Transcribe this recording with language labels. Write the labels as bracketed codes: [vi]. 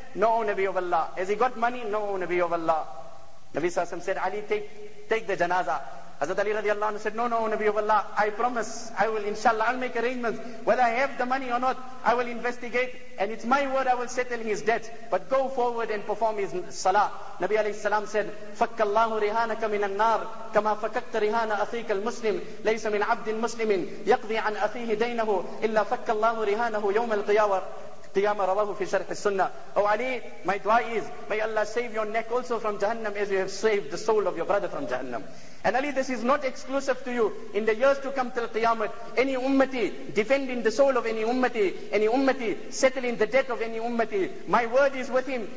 [en] No, O Nabi of Allah. Has he got money? No, O Nabi of Allah. Nabi Sallallahu Alaihi Wasallam said, Ali, take the janazah. Hazrat Ali radiallahu anhu said, no, Nabi of Allah, I promise, I will, inshallah, I'll make arrangements. Whether I have the money or not, I will investigate. And it's my word, I will settle his debts. But go forward and perform his salah. Nabi alayhi salam said, [ar] فَكَّلَّهُ رِهَانَكَ مِنَ النَّارِ كَمَا فَكَكْتَ رِهَانَ أَخِيكَ الْمُسْلِمِ لَيْسَ مِنْ عَبْدٍ مُسْلِمٍ يَقْضِي عَنْ أَخِيهِ دَيْنَهُ إِلَّا فَكَّلَّهُ رِهَانَهُ يَوْمَ الْقِيَامَةِ Rawahu fi sharh as-sunnah. [en] Oh Ali, my dua is, may Allah save your neck also from Jahannam as you have saved the soul of your brother from Jahannam. And Ali, this is not exclusive to you. In the years to come till Qiyamah, any ummati defending the soul of any ummati settling the debt of any ummati, my word is with him.